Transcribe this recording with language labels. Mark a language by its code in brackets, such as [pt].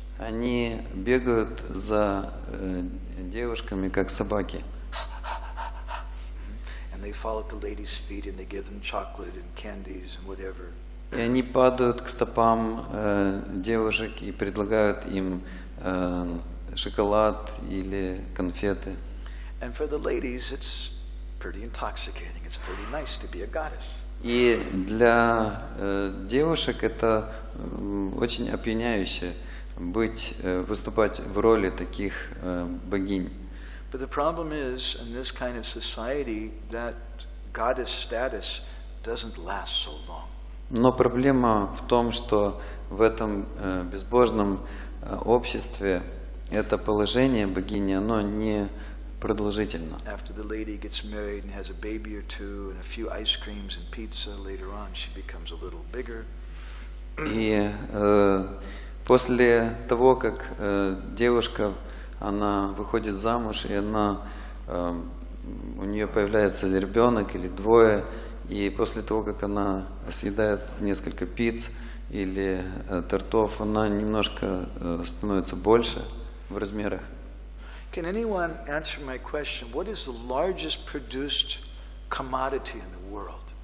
[ru] Они бегают за девушками как собаки. [en] And they fall at the ladies' feet and they give them chocolate and candies and whatever. [ru] И они падают к стопам девушек и предлагают им шоколад или конфеты. [en] And for the ladies, it's pretty intoxicating. It's pretty nice to be a goddess. [ru] И для девушек это очень опьяняюще выступать в роли таких богинь. [en] But the problem is in this kind of society that goddess status doesn't last so long. [ru] Но проблема в том, что в этом безбожном обществе это положение богини, оно не продолжительно. [en] After the lady gets married and has a baby or two and a few ice creams and pizza, later on she becomes a little bigger. [ru] И после того, как девушка она выходит замуж, и она, у нее появляется ребенок или двое, и после того, как она съедает несколько пицц или тортов, она немножко становится больше в размерах. [en] Can anyone answer my question? What is the largest produced commodity in the world?